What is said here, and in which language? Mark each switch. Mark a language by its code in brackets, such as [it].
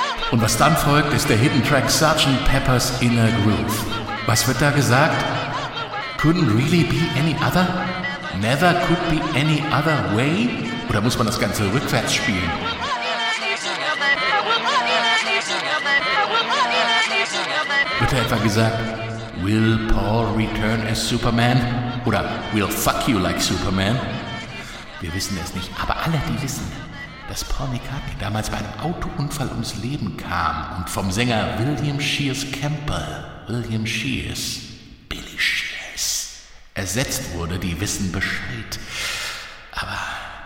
[de] Und was dann folgt, ist der Hidden Track Sgt. Pepper's Inner Groove. Was wird da gesagt? [en] Couldn't really be any other? Never could be any other way? [de] Oder muss man das Ganze rückwärts spielen? Wird da etwa gesagt, [en] will Paul return as Superman? [de] Oder [en] will fuck you like Superman? [de] Wir wissen es nicht, aber alle, die wissen, dass Paul McCartney damals bei einem Autounfall ums Leben kam und vom Sänger William Shears Campbell, William Shears, Billy Shears, ersetzt wurde, die wissen Bescheid. Aber